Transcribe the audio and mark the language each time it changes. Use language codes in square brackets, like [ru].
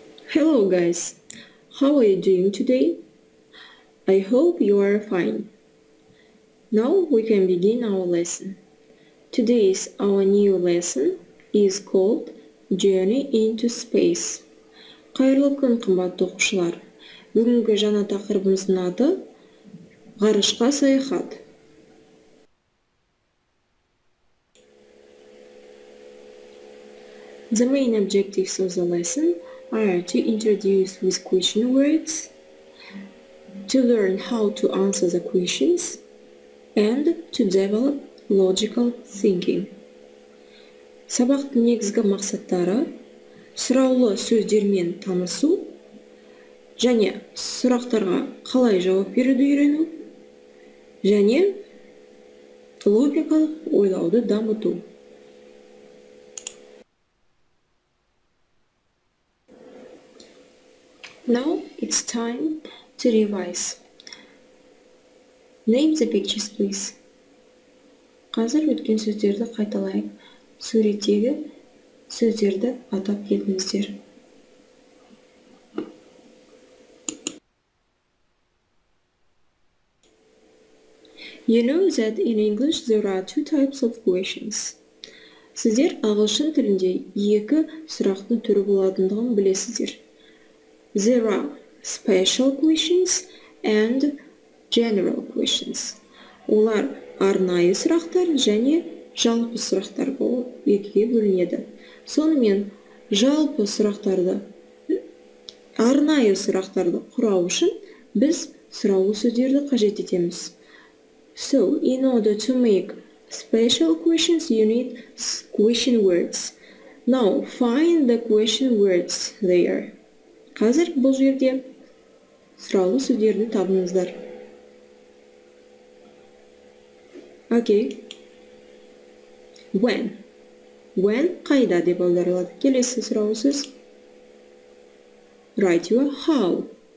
[en] Hello guys, how are you doing today? I hope you are fine. Now we can begin our lesson. Today's our new lesson is called Journey into Space. [kk] Қайырлы күн, қымбатты оқушылар. Бүгінгі жаңа тақырыбымыздың аты ғарышқа саяхат. [en] The main objectives of the lesson are to introduce with question words, to learn how to answer the questions, and to develop logical thinking. [kk] Сабақтың негізгі мақсаттары – сұраулы сөздермен танысу, және сұрақтарға қалай жауап беруді үйрену, және логикалық ойлауды дамыту. [en] Now it's time to revise. Name the pictures, please. [kk] Қазір өткен сөздерді қайталайық. Суреттегі сөздерді атап кетіңіздер. [en] You know that in English there are two types of questions. [kk] Сіздер ағылшын тілінде екі сұрақтың түрі болатындығын білесіздер. [en] There are special questions and general questions. [kk] Олар арнайы сұрақтар және жалпы сұрақтар болып екіге бөлінеді. Сонымен жалпы сұрақтарды, арнайы сұрақтарды құрау үшін біз сұраулы сөздерді қажет етеміз. [en] So, in order to make special questions, you need question words. Now, find the question words there. [kk] Қазір бұл жерде сұраулы сөздерді табыңыздар. [en] Okay. When? [kk] When қайда деп аударылады. Келесі сұраулы сөз. [en] Write your how.